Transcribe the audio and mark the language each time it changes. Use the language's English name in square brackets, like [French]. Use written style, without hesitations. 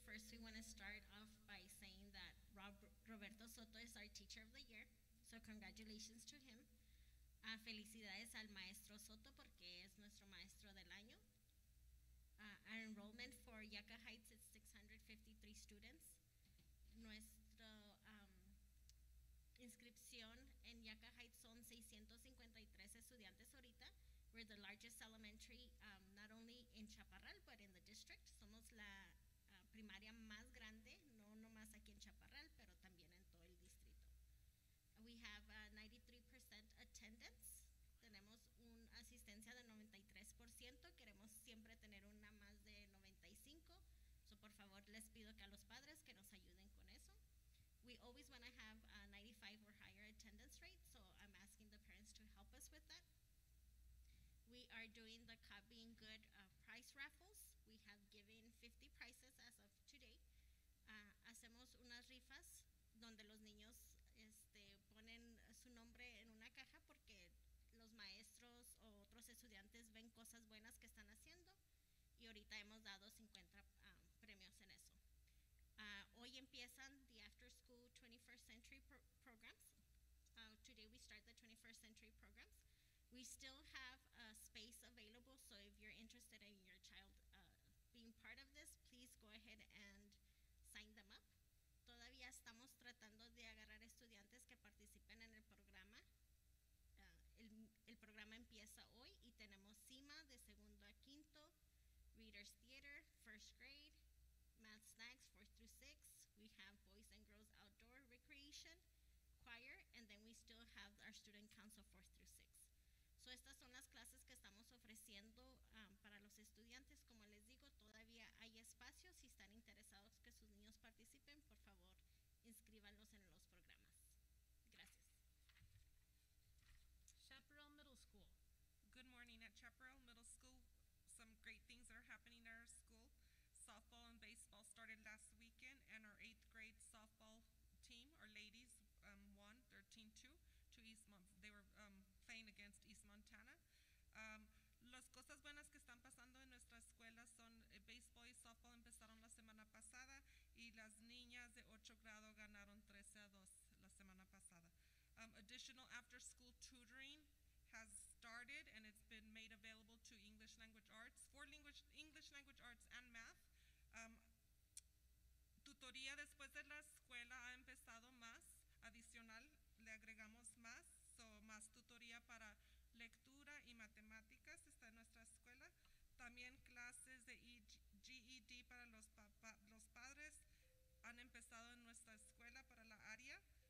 [English] First, we want to start off by saying that Roberto Soto is our Teacher of the Year, so congratulations to him. [Spanish] Felicidades al maestro Soto porque es nuestro maestro del año. [English] Our enrollment for Yucca Heights is 653 students. [Spanish] Nuestro inscripción en Yucca Heights son 653 estudiantes ahorita. [English] We're the largest elementary, not only in Chaparral, but in the district. [Spanish] Somos la primaria más grande, no nomás aquí en Chaparral, pero también en todo el distrito. [English] We have 93% attendance. [Spanish] Tenemos una asistencia de 93%. Queremos siempre tener una más de 95%. So, por favor, les pido que a los padres que nos ayuden con eso. [English] We always want to have a 95 or higher attendance rate, so I'm asking the parents to help us with that. We are doing the Caught Being Good prize raffles. We have given 50 prizes as of today. [Spanish] Hacemos unas rifas donde los niños ponen su nombre en una caja porque los maestros o otros estudiantes ven cosas buenas que están haciendo. Y ahorita hemos dado 50 premios en eso. Hoy empiezan [English] the after school 21st century programs. Today we start the 21st century programs. We still have a space available, so if you're interested in your child being part of this, please go ahead and sign them up. [Spanish] Todavía estamos tratando de agarrar estudiantes que participen en el programa. El programa empieza hoy y tenemos CIMA de segundo a quinto, Reader's Theater, [English] first grade, [Spanish] Math Snacks, 4 through 6. [English] We have Boys and Girls Outdoor Recreation, Choir, and then we still have our Student Council, 4 through 6. [Spanish] So estas son las clases que estamos ofreciendo para los estudiantes. Como les digo, todavía hay espacio. Si están interesados que sus niños participen, por favor, inscríbanlos en los programas. Gracias. [English] Chaparral Middle School. Good morning at Chaparral Middle School. Some great things that are happening at our school. Softball and baseball started last weekend, and our eighth grade softball team, our ladies, won 13-2 to Eastmont. They were playing against East Montana. [Spanish] Las cosas buenas que están pasando en nuestra escuela son baseball y softball empezaron la semana pasada, y las niñas de 8 grado ganaron 13-2 la semana pasada. [English] Additional after-school tutoring has started and it's been made available to English language arts, English language arts and math. [Spanish] Tutoría después de la escuela ha empezado más, adicional, le agregamos más, so más tutoría para lectura y matemáticas está en nuestra escuela. También clases de GED para los los padres han empezado en nuestra escuela para la área.